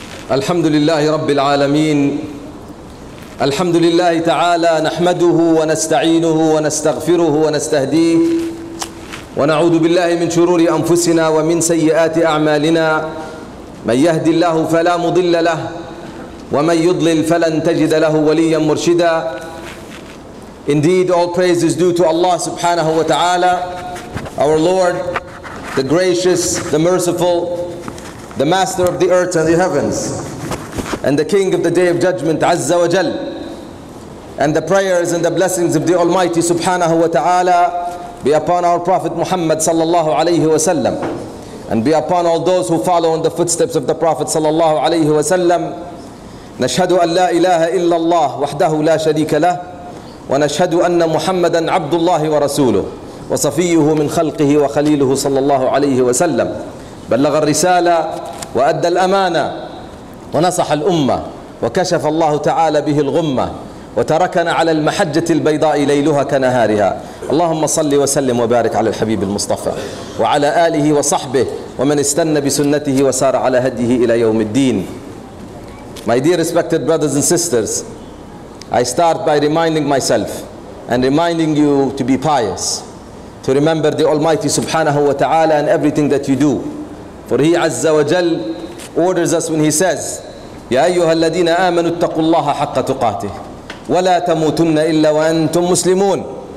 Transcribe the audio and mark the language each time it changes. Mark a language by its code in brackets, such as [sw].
[ar] الحمد لله رب العالمين، الحمد لله تعالى، نحمده ونستعينه ونستغفره ونستهديه، ونعوذ بالله من شرور أنفسنا ومن سيئات أعمالنا. من يهدي الله فلا مضل له، ومن يضلل فلن تجد له وليا مرشدا. [en] Indeed, all praise is due to Allah [ar] subhanahu wa ta'ala, [en] our Lord, the gracious, the merciful, the master of the earth and the heavens, and the king of the day of judgment, [ar] Azza wa Jal. [en] And the prayers and the blessings of the Almighty [ar] subhanahu wa ta'ala [en] be upon our Prophet Muhammad [ar] sallallahu alayhi wa sallam, [en] and be upon all those who follow in the footsteps of the Prophet sallallahu alayhi wa sallam. [ar] Nashhadu an la ilaha illa Allah wahdahu la sharika lah, wa nashhadu anna Muhammadan abdullahi wa rasuluh, wa safiyuhu min khalqihi wa khaliluhu sallallahu alayhi wa sallam. بلغ الرسالة وأدى الأمانة ونصح الأمة وكشف الله تعالى به الغمة وتركنا على المحجة البيضاء ليلها كنهارها. اللهم صل وسلم وبارك على الحبيب المصطفى وعلى آله وصحبه ومن استنى بسنته وسار على هديه إلى يوم الدين. [en] My dear respected brothers and sisters, I start by reminding myself and reminding you to be pious, to remember the Almighty [ar] subhanahu wa ta'ala [en] and everything that you do. For he Azza wa Jal orders us when he says, [ar] يَا أَيُّهَا الَّذِينَ آمَنُوا اتَّقُوا اللَّهَ حَقَّ تُقَاتِهِ وَلَا تَمُوتُنَّ إِلَّا وَأَنْتُمْ مُسْلِمُونَ.